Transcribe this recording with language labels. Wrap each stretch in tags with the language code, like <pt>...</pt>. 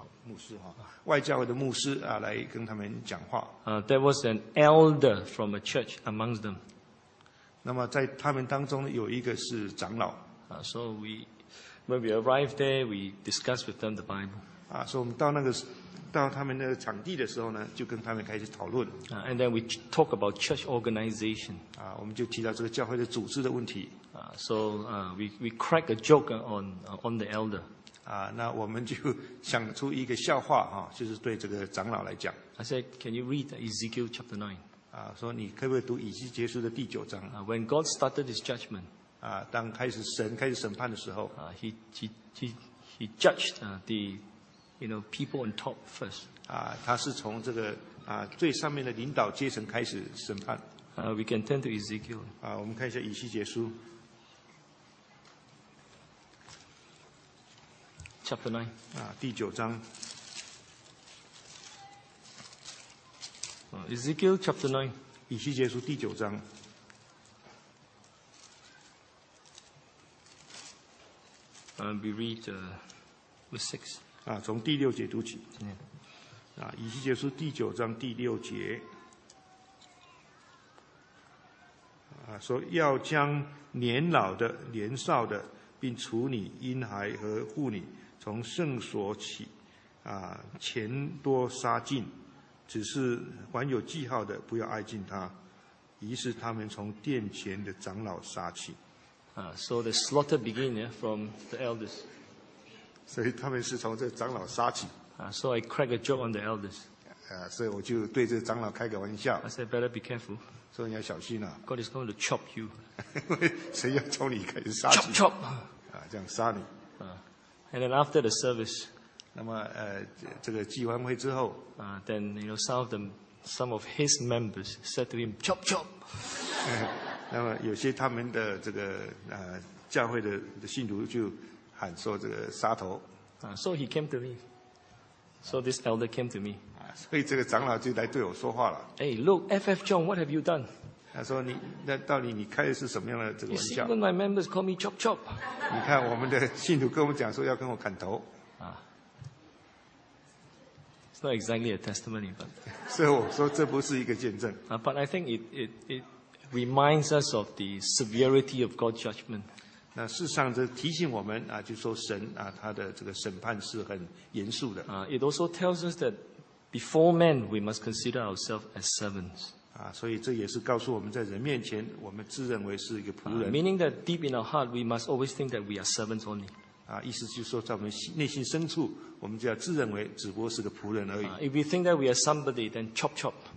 <zh>牧师外教会的牧师来跟他们讲话。</zh> <en>There was an elder from a church amongst them.</en> <zh>那么在他们当中有一个是长老。</zh> <en>So when we arrived there, we discussed with them the Bible.</en> <zh>所以我们到那个。到他们的场地的时候呢，就跟他们开始讨论。</zh> <en>And then we talk about church organization.</en> <zh>我们就提到这个教会的组织的问题。</zh> <en>So we crack a joke on the elder.</en> <zh>那我们就想出一个笑话就是对这个长老来讲。</zh> <en>I said, can you read Ezekiel chapter 9?</en> <zh>说你可不可以读以西结书的第九章？</zh> <en>When God started His judgment.</en> <zh>当开始神开始审判的时候。</zh> <en>He judged the You know, people on top first.</en> <zh>他是从这个最上面的领导阶层开始审判。</zh> <en>We can turn to Ezekiel.</en> <zh>我们看一下以西结书。</zh> <en>Chapter 9.</en> <zh>第九章。</zh> <en>Ezekiel chapter 9.</en> <zh>以西结书第九章。</zh> <en>We read verse 6.</en> <zh>从第六节读起。以西结书第九章第六节。说要将年老的年少的并除女婴孩和妇女从圣所起钱多杀尽。只是凡有记号的不要挨近他。于是他们从殿前的长老杀起。</zh> <en>So the slaughter begin from the elders.</en> <zh>所以他们是从这长老杀起。</zh> <en>So I crack a joke on the elders.</en> <zh>所以我就对这长老开个玩笑。</zh> <en>I said, better be careful.</en> <zh>所以你要小心啊。</zh> <en>God is going to chop you.</en> <zh>谁要从你开始杀起。</zh> <en>Chop, chop!</en> <zh>这样杀你。</zh> <en>And then after the service.</en> <zh>那么这个祭完会之后。</zh> <en>Then, you know, some of his members said to him, chop, chop!</en> <zh>那么有些他们的这个教会的信徒就喊说这个杀头。</zh> <en>So he came to me. So this elder came to me.</en> <zh>所以这个长老就来对我说话了。</zh> <en>Hey, look, F.F. John, what have you done?</en> <zh>他说你那到底你开的是什么样的这个玩笑</zh> <en>？You see, when my members call me chop chop.</en> <zh>你看我们的信徒跟我们讲说要跟我砍头。</zh> <en>It's not exactly a testimony, but.</en> <zh>所以我说这不是一个见证。</zh> <en>But I think it reminds us of the severity of God's judgment.</en> <zh>那事实上这提醒我们，就说神，他的这个审判是很严肃的。</zh> <en>It also tells us that before men, we must consider ourselves as servants.</en> <zh>所以这也是告诉我们在人面前，我们自认为是一个仆人。</zh> <en>Meaning that deep in our heart, we must always think that we are servants only.</en> <zh>意思就是说，在我们内心深处，我们就要自认为只不过是个仆人而已。</zh> <en>If we think that we are somebody, then chop chop.</en>